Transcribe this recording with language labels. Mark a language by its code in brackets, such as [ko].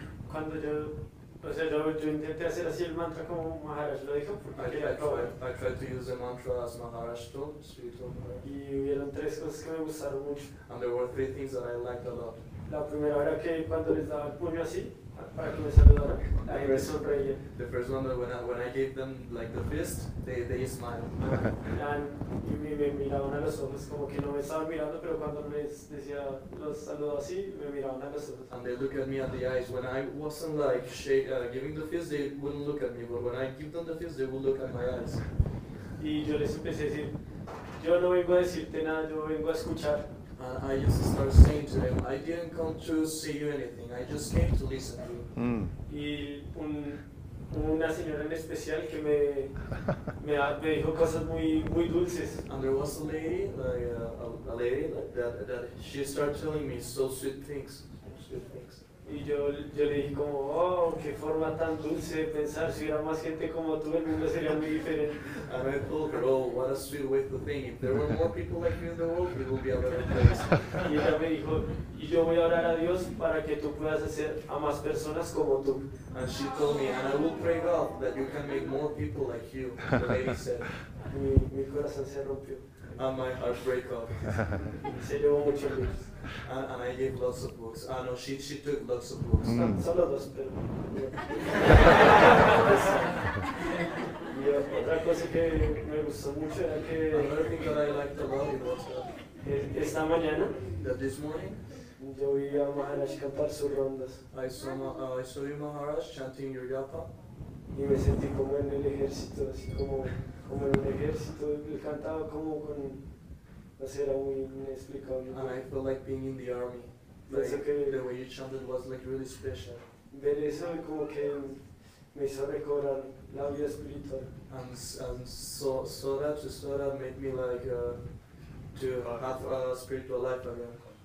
[es] Cuando yo, o sea, yo intenté hacer así el mantra como Maharaj lo dijo, porque [en] I tried to use the mantra as Maharaj told, [es] y hubieron tres cosas que me gustaron mucho. [en] And there were three things that I liked a lot. [es] La primera era que cuando les daba el puño así, para que me saludaran, ahí me sonreía. [en] The first one, when I gave them like the fist, they smiled. [es] Y me miraban a los ojos, como que no me estaban mirando, pero cuando les decía los saludos así, me miraban a los ojos. [en] And they look at me at the eyes. When I wasn't like giving the fist, they wouldn't look at me. But when I give them the fist, they would look at my eyes. [es] Y yo les empecé a decir, yo no vengo a decirte nada, yo vengo a escuchar. [en] I just started saying to him, I didn't come to see you anything, I just came to listen to you. Mm. [es] Y una señora en especial que me dijo cosas muy, muy dulces. [en] And there was a lady, like, that she started telling me so sweet things. [es] Y yo le dije como, oh, qué forma tan dulce de pensar, si hubiera más gente como tú, el mundo sería muy diferente. [en] And I told her, oh, what a sweet way to think. If there were more people like you in the world, it would be a better place. [es] Y ella me dijo, y yo voy a orar a Dios para que tú puedas hacer a más personas como tú. [en] And she told me, and I will pray God that you can make more people like you, the lady said. [es] Mi corazón se rompió. [en] And my heart broke off. [es] Se llevó muchos libros. [en] And I gave lots of books. Ah, no, she took lots of books. Mm. [es] Solo dos, pero... Y otra cosa que me gustó mucho era que... [en] Another thing that I liked a lot was that... [es] Esta mañana... [en] That this morning... [es] Yo vi a Maharaj cantar sus rondas. [en] I saw you, Maharaj, chanting your japa. [es] Y me sentí como en el ejército, así como... Como en el ejército, él cantaba como con... No sé, era muy inexplicable. [en] And I felt like being in the army. Like, the way you chanted was like really special. [es] Ver eso como que me hizo recordar la vida espiritual. [en] And so that made me like to have a spiritual life again.